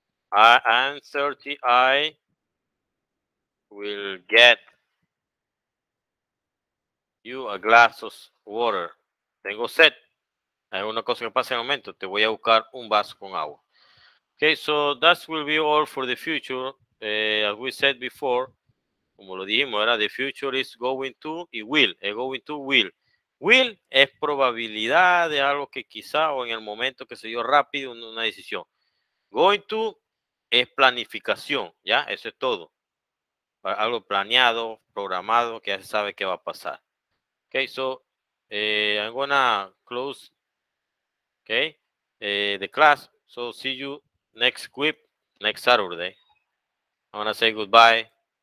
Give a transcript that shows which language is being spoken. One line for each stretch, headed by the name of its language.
English: I am 30, I will get you a glass of water.
Spanish: Tengo sed. Hay una cosa que pasa en el momento. Te voy a buscar un vaso con agua.
English: Okay, so that will be all for the future. As we said before,
Spanish: como lo dijimos,
English: era the future is going to y will. Going to will.
Spanish: Will es probabilidad de algo que quizá o en el momento que se dio rápido una decisión. Going to es planificación. Ya, eso es todo. Algo planeado, programado, que ya se sabe qué va a pasar.
English: Okay, so I'm gonna close, okay, the class. So see you next week, next Saturday. I'm gonna say goodbye.